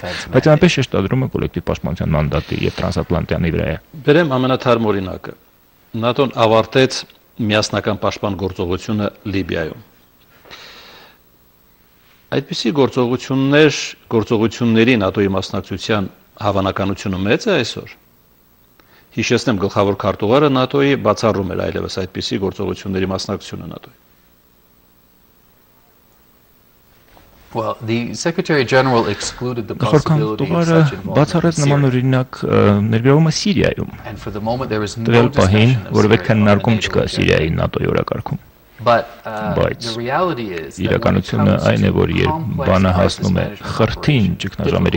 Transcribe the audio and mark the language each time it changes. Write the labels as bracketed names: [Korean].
[English] But still with the transatlantic security organization than we used to be, that's right. [Armenian] միասնական պաշտպան գործողությունը Լիբիայում։ Այդպիսի գործողություններ, գործողությունների ՆԱՏՕ-ի մասնակցության հավանականությունը մեծ է այսօր։ Հիշեցնեմ, գլխավոր քարտուղարը ՆԱՏՕ-ի բացառում էր այլևս այդպիսի գործողությունների մասնակցությունը ՆԱՏՕ-ի։ [English] Well, the Secretary General excluded the possibility of such involvement in Syria. And for the moment, there is no discussion of Syria on the NATO agenda. But the reality is that when it comes to complex crisis management,